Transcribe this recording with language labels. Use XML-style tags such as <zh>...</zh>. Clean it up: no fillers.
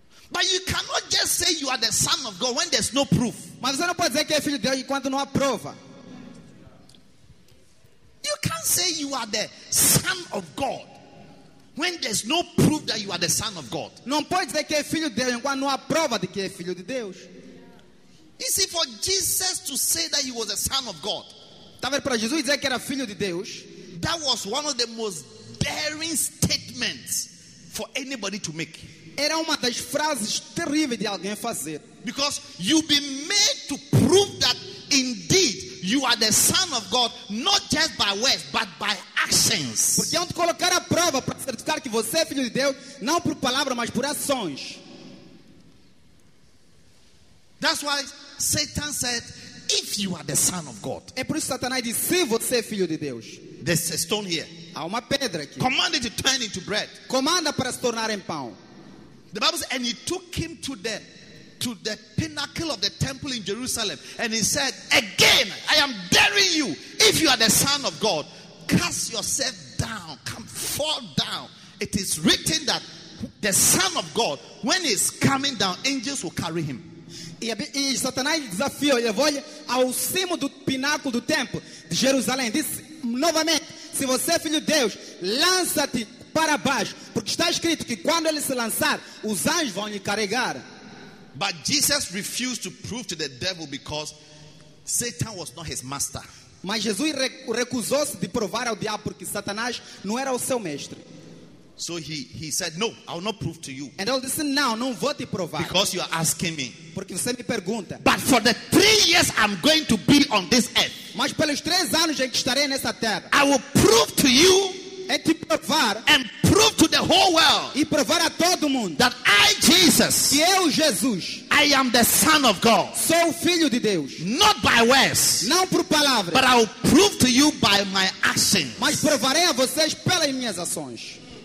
<en>But you cannot just say you are the son of God when there's no proof.</en> <pt>Mas você não pode dizer que é filho de Deus enquanto não há prova.</pt> <en>You can't say you are the son of God when there's no proof that you are the son of God.</en> <pt>Não pode dizer que é filho de Deus enquanto não há prova de que é filho de Deus.</pt> <en>You see, for Jesus to say that he was a son of God.</en> <pt>Tá vendo, para Jesus dizer que era filho de Deus.</pt> <en>That was one of the most daring statements for anybody to make.</en> <pt>Era uma das frases terríveis de alguém fazer.</pt> <en>Because you be made to prove that indeed you are the son of God, not just by words, but by actions.</en> <pt>Porque iam te colocar a prova para certificar que você é filho de Deus, não por palavra, mas por ações.</pt> <en>That's why Satan said, if you are the son of God.</en> <pt>É por isso que Satanás disse, se você é filho de Deus.</pt> <en>There's a stone here.</en> <pt>Há uma pedra aqui.</pt> <en>Command it to turn into bread.</en> <pt>Comanda para se tornar em pão.</pt> <en>The Bible says, and he took him to them. To the pinnacle of the temple in Jerusalem, and he said, again, I am daring you, if you are the son of God, cast yourself down, come fall down. It is written that the son of God, when he is coming down, angels will carry him.</en> <pt>E Satanás desafiou e levou-lhe ao cimo do pináculo do templo de Jerusalém. Disse novamente, se você é filho de Deus, lança-te para baixo, porque está escrito que quando ele se lançar, os anjos vão lhe carregar.</pt> <en>But Jesus refused to prove to the devil because Satan was not his master.</en> <pt>Mas Jesus recusou-se de provar ao diabo porque Satanás não era o seu mestre.</pt> <en>So he said, no, I'll not prove to you. And he said, no,</en> <pt>não vou te provar.</pt> <en>Because you are asking me.</en> <pt>Porque você me pergunta.</pt> <en>But for the 3 years I'm going to be on this earth.</en> <pt>Mas pelos 3 anos em que estarei nessa terra.</pt> <en>I will prove to you.</en> <pt>É te provar.</pt> <en>And prove to the whole world.</en> <pt>E provar a todo mundo.</pt> <en>That I, Jesus.</en> <pt>Que eu, Jesus.</pt> <en>I am the son of God.</en> <pt>Sou o filho de Deus.</pt> <en>Not by words.</en> <pt>Não por palavras.</pt> <en>But I will prove to you by my actions.</en> <pt>Mas provarei a vocês pelas minhas ações.</pt>